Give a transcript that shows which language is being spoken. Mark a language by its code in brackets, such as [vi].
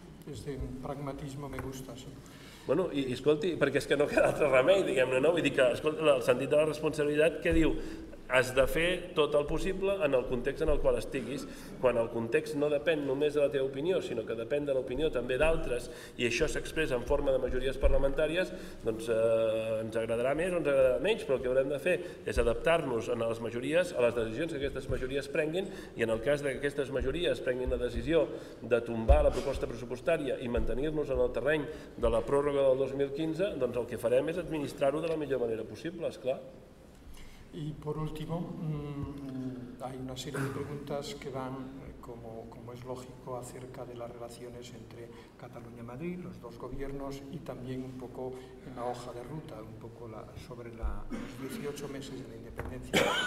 [es] Este pragmatisme me gusta, sí. [ca] Bueno, i escolti, perquè és que no queda altre remei, diguem-ne, no? Vull dir que, escolta, el sentit de la responsabilitat, què diu? Has de fer tot el possible en el context en el qual estiguis. Quan el context no depèn només de la teva opinió, sinó que depèn de l'opinió també d'altres, i això s'expressa en forma de majories parlamentàries, doncs ens agradarà més o ens agradarà menys, però el que haurem de fer és adaptar-nos a les majories, a les decisions que aquestes majories prenguin, i en el cas que aquestes majories prenguin la decisió de tombar la proposta pressupostària i mantenir-nos en el terreny de la pròrroga del 2015, doncs el que farem és administrar-ho de la millor manera possible, esclar. [es] Y por último, hay una serie de preguntas que van, como es lógico, acerca de las relaciones entre Cataluña y Madrid, los dos gobiernos, y también un poco en la hoja de ruta, un poco sobre los 18 meses de la independencia.